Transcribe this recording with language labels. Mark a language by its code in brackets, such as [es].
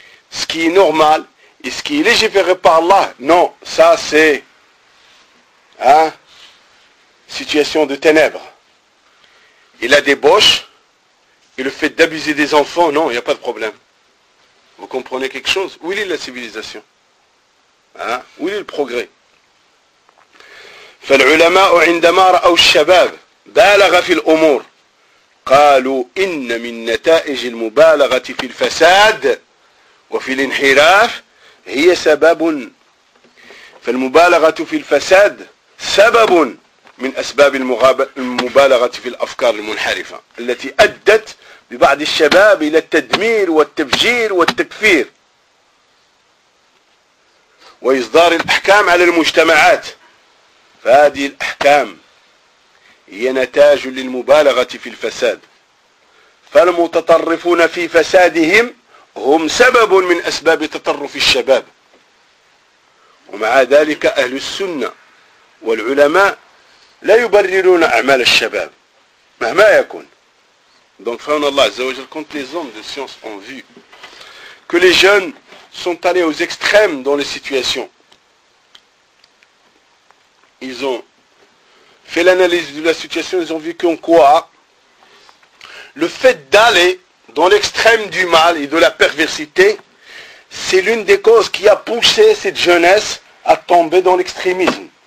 [fr] Ce qui est normal, et ce qui est légiféré par Allah, non, ça c'est situation de ténèbres. Et la débauche, et le fait d'abuser des enfants, non, il n'y a pas de problème. Vous comprenez quelque chose? Où est la civilisation? Où est le progrès? [ar] فالعلماء عندما رأوا الشباب بالغ في الأمور قالوا إن من نتائج المبالغة في الفساد وفي الانحراف هي سبب. فالمبالغة في الفساد سبب من أسباب المبالغة في الأفكار المنحرفة التي أدت ببعض الشباب إلى التدمير والتفجير والتكفير وإصدار الأحكام على المجتمعات. فهذه الأحكام هي نتاج للمبالغة في الفساد. فالمتطرفون في فسادهم هم سبب من أسباب تطرف الشباب. ومع ذلك أهل السنة والعلماء لا يبررون أعمال الشباب مهما يكون. [fr] Donc, Fa'un Allah Azza wa Jal, quand les hommes de science ont vu que les jeunes sont allés aux extrêmes dans les situations, ils ont fait l'analyse de la situation, ils ont vu qu'en quoi le fait d'aller dans l'extrême du mal et de la perversité, c'est l'une des causes qui a poussé cette jeunesse à tomber dans l'extrémisme.